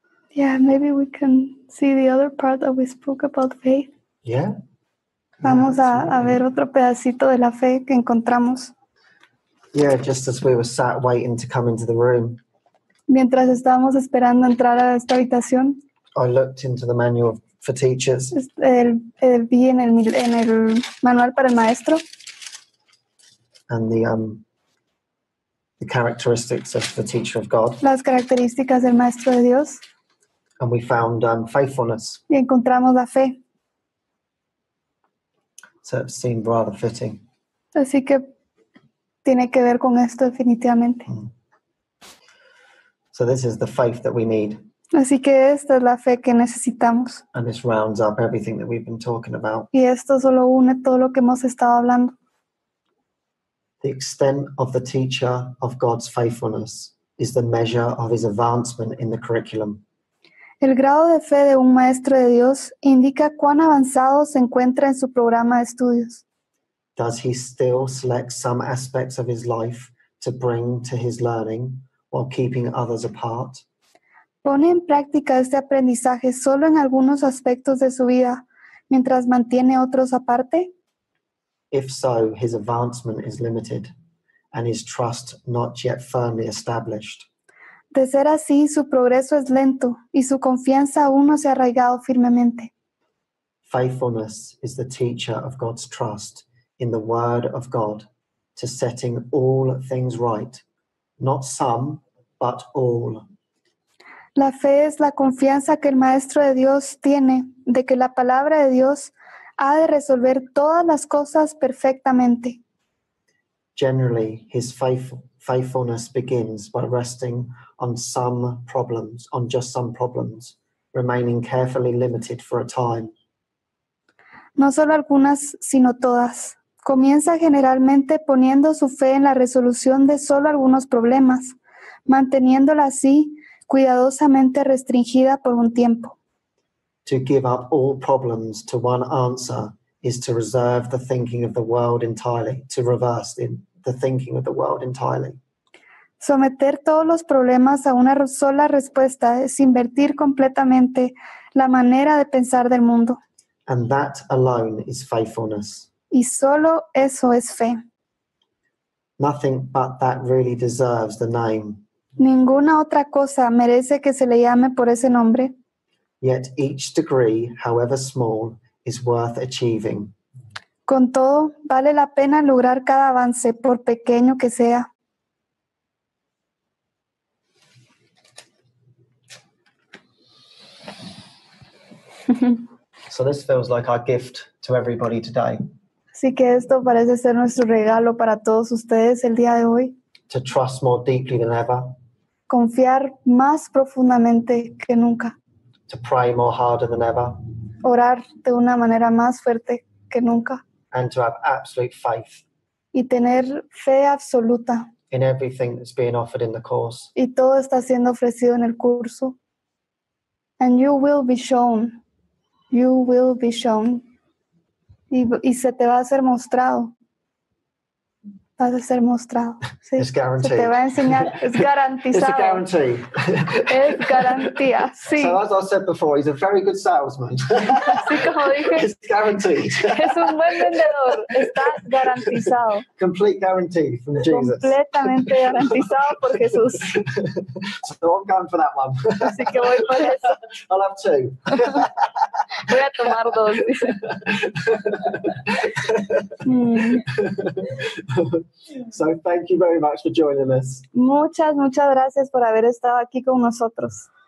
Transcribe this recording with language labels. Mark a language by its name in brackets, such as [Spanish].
[English] Yeah, maybe we can see the other part that we spoke about faith. Yeah. [Spanish] Vamos a ver otro pedacito de la fe que encontramos. [English] Yeah, just as we were sat waiting to come into the room. [Spanish] Mientras estábamos esperando entrar a esta habitación. [English] I looked into the manual for teachers. [Spanish] Vi en el manual para el maestro. [English] And the characteristics of the teacher of God. [Spanish] Las características del maestro de Dios. [English] And we found faithfulness. [Spanish] Y encontramos la fe. [English] So it seemed rather fitting. [Spanish] Así que tiene que ver con esto definitivamente. [English] So this is the faith that we need. [Spanish] Así que esta es la fe que necesitamos. [English] And this rounds up everything that we've been talking about. [Spanish] Y esto solo une todo lo que hemos estado hablando. [English] The extent of the teacher of God's faithfulness is the measure of his advancement in the curriculum. [Spanish] El grado de fe de un maestro de Dios indica cuán avanzado se encuentra en su programa de estudios. [English] Does he still select some aspects of his life to bring to his learning while keeping others apart? [Spanish] ¿Pone en práctica este aprendizaje solo en algunos aspectos de su vida mientras mantiene otros aparte? [English] If so, his advancement is limited and his trust not yet firmly established. [Spanish] De ser así, su progreso es lento y su confianza aún no se ha arraigado firmemente. [English] Faithfulness is the teacher of God's trust in the Word of God to setting all things right, not some, but all. [Spanish] La fe es la confianza que el Maestro de Dios tiene de que la Palabra de Dios ha de resolver todas las cosas perfectamente. [English] Generally, his faithfulness begins by resting on just some problems, remaining carefully limited for a time. [Spanish] No solo algunas, sino todas. Comienza generalmente poniendo su fe en la resolución de solo algunos problemas, manteniéndola así cuidadosamente restringida por un tiempo. [English] To give up all problems to one answer is to reserve the thinking of the world entirely, to reverse the thinking of the world entirely. [Spanish] Someter todos los problemas a una sola respuesta es invertir completamente la manera de pensar del mundo. [English] And that alone is faithfulness. [Spanish] Y solo eso es fe. [English] Nothing but that really deserves the name. [Spanish] Ninguna otra cosa merece que se le llame por ese nombre. [English] Yet each degree, however small, is worth achieving. [Spanish] Con todo, vale la pena lograr cada avance, por pequeño que sea. [English] So this feels like our gift to everybody today. [Spanish] Así que esto parece ser nuestro regalo para todos ustedes el día de hoy. [English] To trust more deeply than ever. [Spanish] Confiar más profundamente que nunca. [English] To pray more harder than ever. [Spanish] Orar de una manera más fuerte que nunca. [English] And to have absolute faith. [Spanish] Y tener fe absoluta. [English] In everything that's being offered in the course. [Spanish] Y todo está siendo ofrecido en el curso. [English] And you will be shown. You will be shown. [Spanish] Y se te va a ser mostrado. Vas a ser mostrado. Sí. [English] It's guaranteed. [Spanish] Se te va a enseñar. Es garantizado. [English] It's a guarantee. [Spanish] Es garantía. Sí. [English] So as I said before, he's a very good salesman. [Spanish] Así como dije. [English] It's guaranteed. [Spanish] Es un buen vendedor. Está garantizado. [English] Complete guarantee from Jesus. [Spanish] Completamente garantizado por Jesús. [English] So I'm going for that one. [Spanish] Así que voy por eso. [English] I'll have two. [Spanish] Voy a tomar dos. [English] So thank you very much for joining us. [Spanish] Muchas, muchas gracias por haber estado aquí con nosotros.